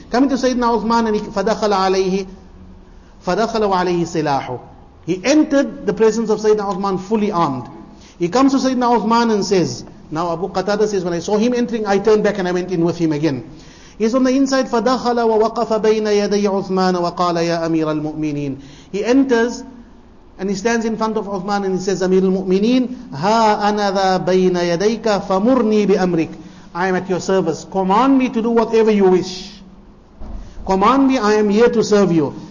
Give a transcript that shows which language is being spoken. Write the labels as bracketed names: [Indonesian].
[English] Coming to Sayyidina Uthman, and [Arabic] فدخل عليه سلاحه. [English] He entered the presence of Sayyidina Uthman fully armed. He comes to Sayyidina Uthman and says, now Abu Qatada says, when I saw him entering, I turned back and I went in with him again. He's on the inside. [Arabic] فدخل ووقف بين يدي عثمان وقال يا أمير المؤمنين. [English] He enters and he stands in front of Uthman and he says, Amir al-Mu'mineen, [Arabic] Ha anada bayna yadayka famurni bi amrik. [English] I am at your service. Command me to do whatever you wish. Command me, I am here to serve you.